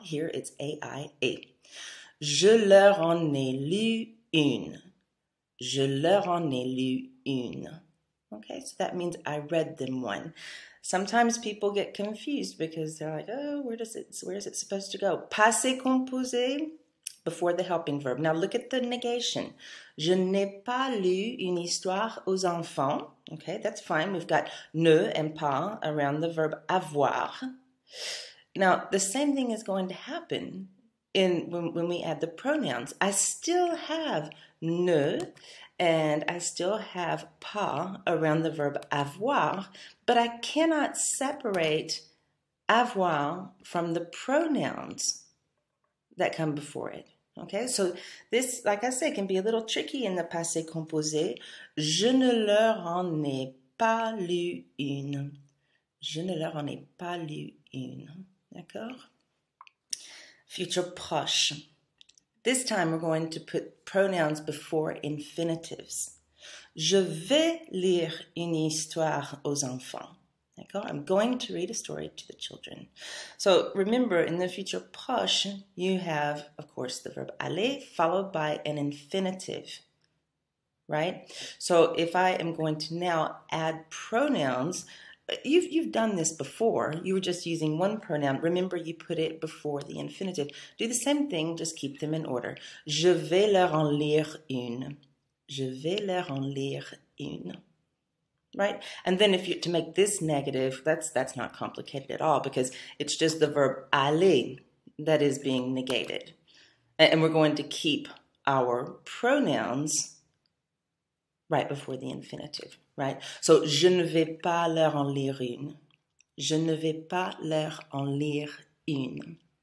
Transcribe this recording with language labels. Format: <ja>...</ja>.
<en>Here it's A-I-A.</en> <fr>Je leur en ai lu une. Je leur en ai lu une.</fr> <en>Okay, so that means I read them one. Sometimes people get confused because they're like, oh, where is it supposed to go? Passé composé, before the helping verb. Now look at the negation.</en> <fr>Je n'ai pas lu une histoire aux enfants.</fr> <en>Okay, that's fine. We've got ne and pas around the verb avoir. Now the same thing is going to happen in when we add the pronouns. I still have ne and I still have pas around the verb avoir, but I cannot separate avoir from the pronouns that come before it. Okay, so this, like I said, can be a little tricky in the passé composé.</en> <fr>Je ne leur en ai pas lu une. Je ne leur en ai pas lu une. D'accord? Future proche.</fr> <en>This time we're going to put pronouns before infinitives.</en> <fr>Je vais lire une histoire aux enfants. D'accord?</fr> <en>I'm going to read a story to the children. So remember, in the future proche, you have, of course, the verb aller followed by an infinitive, right? So if I am going to now add pronouns, you've done this before. You were just using one pronoun. Remember, you put it before the infinitive. Do the same thing, just keep them in order.</en> <fr>Je vais leur en lire une. Je vais leur en lire une. Right?</fr> <en>And then if you to make this negative, that's not complicated at all because it's just the verb aller that is being negated. And we're going to keep our pronouns right before the infinitive, right?</en> <fr>So je ne vais pas leur en lire une. Je ne vais pas leur en lire une.</fr>